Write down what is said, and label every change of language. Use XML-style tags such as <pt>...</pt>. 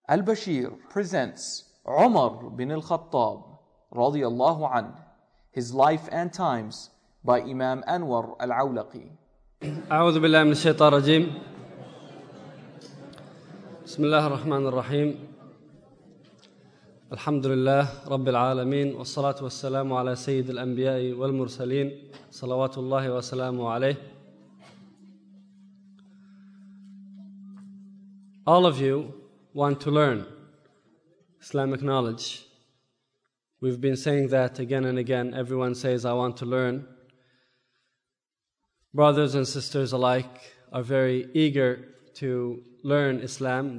<en>Al-Bashir presents Umar bin al-Khattab radiyallahu anhu, his life and times by Imam Anwar al-Awlaqi.</en> <ar>أعوذ بالله من الشيطان الرجيم. بسم الله الرحمن الرحيم. الحمد لله رب العالمين والصلاة والسلام على سيد الأنبياء والمرسلين صلوات الله وسلامه عليه.</ar> <en>All of you want to learn Islamic knowledge. We've been saying that again and again. Everyone says, I want to learn. Brothers and sisters alike are very eager to learn Islam.</en>